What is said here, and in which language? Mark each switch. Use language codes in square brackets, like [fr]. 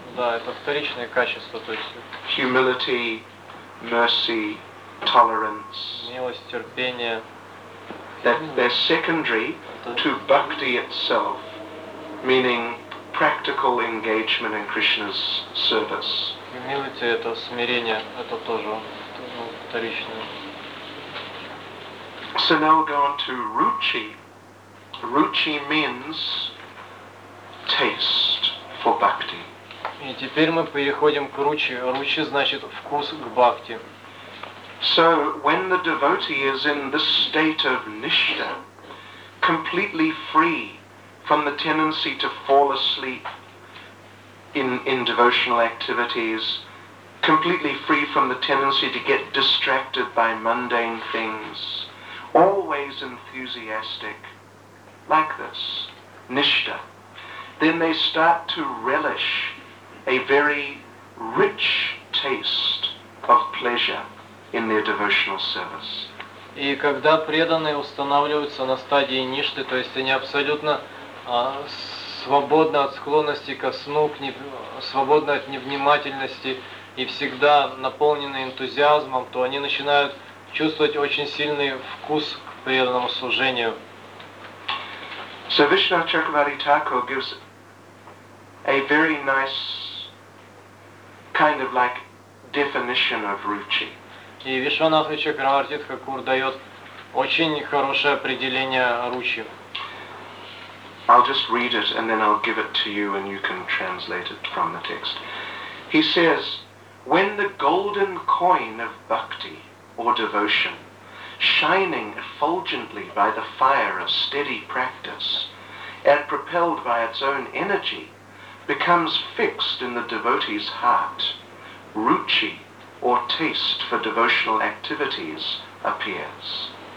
[ru] Да, это вторичные качества, то есть. [en] Humility, mercy, tolerance. [ru] Милость, терпение. [en] That they're secondary to bhakti itself, meaning practical engagement in Krishna's service. [ru] Humility – это смирение, это тоже вторичное. [en] So now we'll go on to ruchi. Ruchi means taste for bhakti. [ru] И теперь мы переходим к ручи. Ручи значит вкус к бхакти. [en] So when the devotee is in this state of nishtha, completely free from the tendency to fall asleep in devotional activities, completely free from the tendency to get distracted by mundane things, always enthusiastic, like this, nishtha, then they start to relish a very rich taste of pleasure in their devotional service. [ru] И когда преданные устанавливаются на стадии ништы, то есть они абсолютно свободны от склонности ко сну, свободны от невнимательности и всегда наполнены энтузиазмом, то они начинают чувствовать очень сильный вкус к преданному служению. [en] So Vishnu Chakravarti Thakur gives a very nice kind of like definition of ruchi. [ru] И Вишванатха Чакраварти Тхакур дает очень хорошее определение ручи. [en] I'll just read it and then I'll give it to you and you can translate it from the text. He says, when the golden coin of bhakti or devotion, shining effulgently by the fire of steady practice and propelled by its own energy, becomes fixed in the devotee's heart, ruchi or taste for devotional activities appears.